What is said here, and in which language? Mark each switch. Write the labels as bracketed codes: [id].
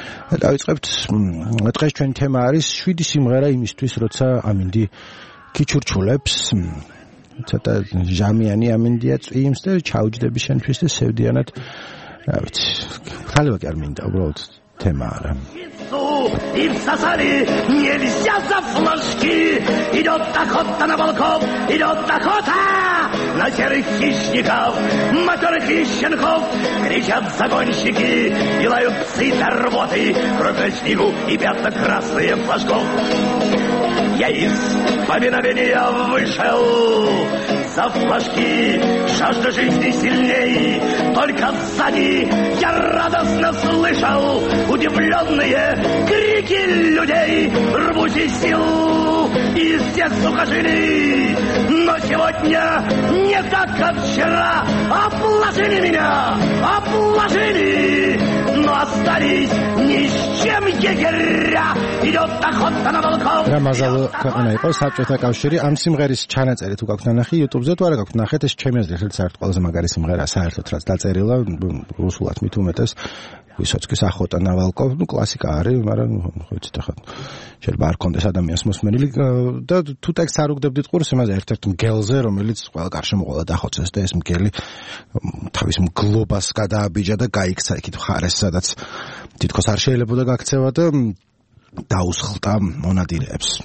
[ka] და დაიწყებთ, დღეს ჩვენი თემა არის შვიდი სიმღერა იმისთვის, როცა ამინდი გიჩურჩულებს. ცოტა ჟამიანი ამინდია წვიმს და ჩაუჯდები შენთვის და სევდიანად, რა ვიცი, ქალებო კი არ მინდა უბრალოდ тема ра. [ru] И в сасаре нельзя за флажки. Идет охота на волков, идет охота на серых хищников, матерых и щенков. Кричат загонщики, и лают псы до рвоты, кровь на снегу и пятна красные флажков. Я из повиновения вышел за флажки, жажда жизни сильней. Только сзади я радостно слышал удивленные крики людей. Рвусь из сил и из тех сухожилий, но сегодня не так, как вчера. Обложили меня, обложили, но остались ни с чем егеря. Идет охота на волков. [ka] Рамазал ქვეყანა იყოს საბჭოთა კავშირი. ამ სიმღერის ჩანაწერი თუ გაქვთ ნანახი YouTube-ზე, თუ არა გაქვთ ნახეთ, ეს ჩემი აზრით ერთ-ერთი საერთოდ ყველაზე მაგარი სიმღერაა საერთოდ, რაც დაწერილა რუსულად მით უმეტეს. ვისოცკის ახოტა ნავალკო, ну კლასიკა არის, მაგრამ ხო იცით ახლა შეიძლება არ კონდეს ადამიანს მოსმენილი და თუ ტექსტს არ უგდებდით ყურს იმაზე ერთ-ერთ მგელზე, რომელიც ყველა გარშემო ყველა დახოცეს და ეს მგელი თავის მგლობას გადააბიჯა და გაიქცა იქით ხარეს, სადაც თითქოს არ შეიძლება გაქცევა და დაუსხლტა მონადირეებს.